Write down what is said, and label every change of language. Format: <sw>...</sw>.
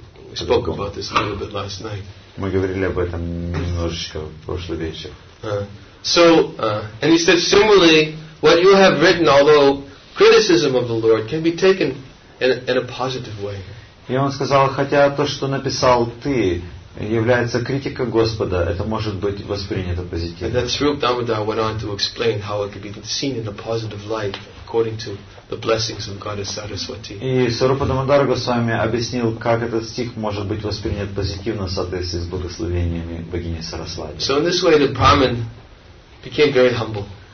<en>We spoke about this a little bit last night.</en> <ru>Мы говорили об этом немножечко в прошлый вечер.</ru> <en>And he said, similarly, what you have written, although criticism of the Lord, can be taken in a positive way.</en> <ru>И он сказал, хотя то, что написал ты, является критика Господа, это может быть воспринято позитивно.</ru> <en>And then Srila Damodar went on to explain how it could be seen in a positive light according to the blessings of Goddess Saraswati.</en> <ru>И Сарупа Дамодара Госвами объяснил, как этот стих может быть воспринят позитивно в соответствии с благословениями богини Сарасвати.</ru> <en>So in this way the Brahman became very humble.</en>